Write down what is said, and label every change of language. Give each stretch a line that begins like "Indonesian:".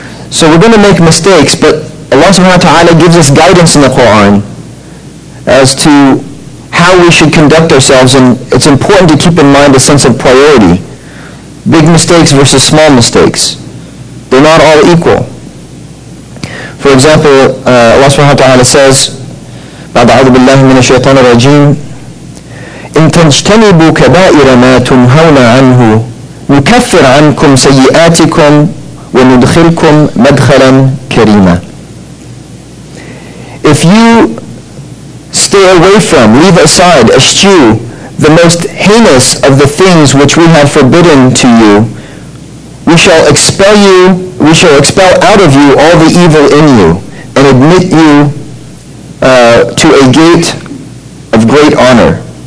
English: So we're going to make mistakes, but Allah subhanahu wa ta'ala gives us guidance in the Quran as to how we should conduct ourselves, and it's important to keep in mind a sense of priority. Big mistakes versus small mistakes. They're not all equal.
Arabic: For example, Allah subhanahu wa ta'ala says, بعد أعوذ بالله من الشيطان الرجيم إن تجتنبوا كبائر ما تنهون عنه نكفر عنكم سيئاتكم وندخلكم مدخلا كريما.
English: If you stay away from, leave aside, eschew the most heinous of the things which we have forbidden to you, we shall expel out of you all the evil in you and admit you to a gate of great honor.